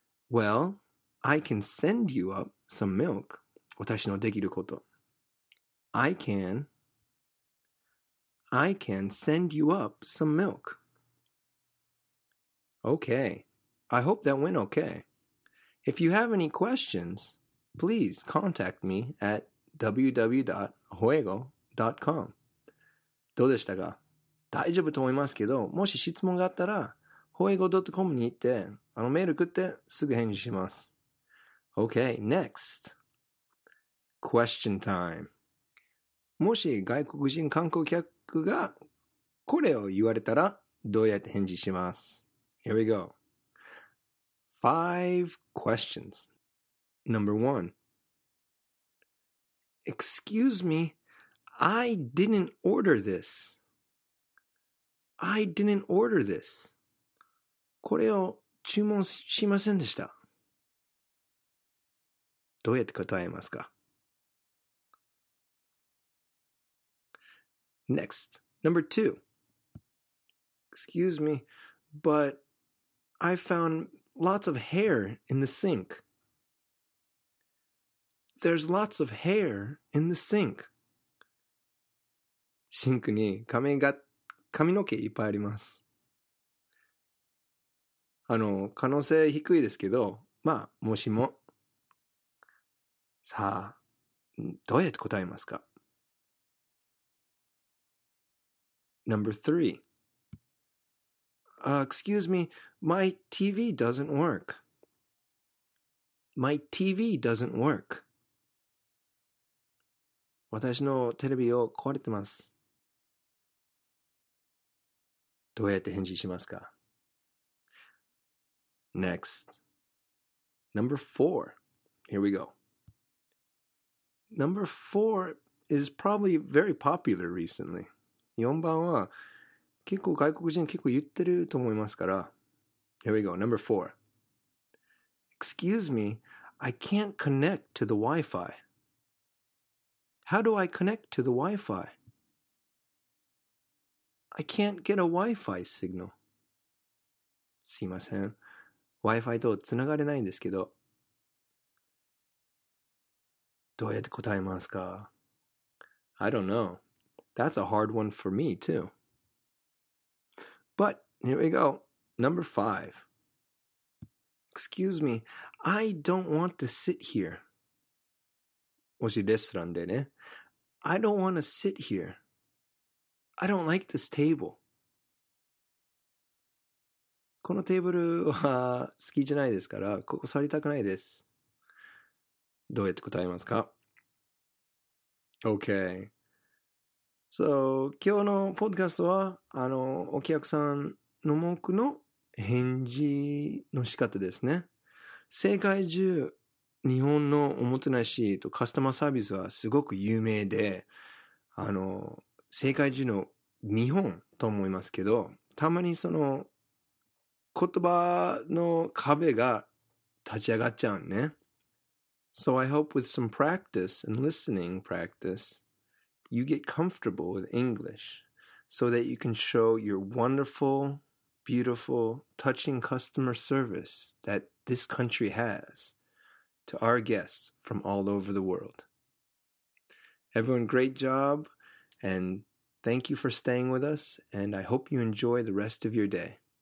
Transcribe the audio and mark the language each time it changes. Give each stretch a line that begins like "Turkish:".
English: Well, I can send you up some milk.
Japanese: 私のできること。
English: I can send you up some milk. Okay. I hope that went okay. If you have any questions, please contact me at www.hoego.com.
Japanese: どうでしたか? 大丈夫と思いますけど、もし質問があったら、hoego.com に行って、あのメール送ってすぐ返事します。
English: Okay, next. Question time.
Japanese: もし外国人観光客がこれを言われたら、どうやって返事します?
English: Here we go. Five questions. Number one. Excuse me, I didn't order this. I didn't order this.
Japanese: これを注文しませんでした。どうやって答えますか?
English: Next, number two. Excuse me, but I found lots of hair in the sink. There's lots of hair in the sink.
Japanese: シンクに髪が髪の毛いっぱいあります。あの、可能性低いですけど、まあ、もしも。さあ、どうやって答えますか?
English: Number three. Excuse me, my TV doesn't work. My TV doesn't work.
Japanese: 私のテレビを壊れてます。どうやって返事しますか?
English: Next. Number four. Here we go. Number four is probably very popular recently.
Japanese: 4番は結構外国人結構言ってると思いますから。
English: Here we go. Number four. Excuse me, I can't connect to the Wi-Fi. How do I connect to the Wi-Fi? I can't get a Wi-Fi signal.
Japanese: すいません。 Wi-Fi とつながれないんですけど。どうやって答えますか?
English: I don't know. That's a hard one for me, too. But here we go. Number 5. Excuse me. I don't want to sit here.
Japanese: もしレストランでね。
English: I don't want to sit here. I don't like this table.
Japanese: このテーブルは好きじゃないですから、ここ座りたくないです。どうやって答えますか?
English: Okay.
Japanese: So, 今日のポッドキャストは、お客さんの文句の返事の仕方ですね。世界中、日本のおもてなしとカスタマーサービスはすごく有名で、世界中の日本と思いますけど、たまにその言葉の壁が立ち上がっちゃうね。
English: So I hope with some practice and listening practice, you get comfortable with English so that you can show your wonderful, beautiful, touching customer service that this country has. To our guests from all over the world. Everyone, great job, and thank you for staying with us, and I hope you enjoy the rest of your day.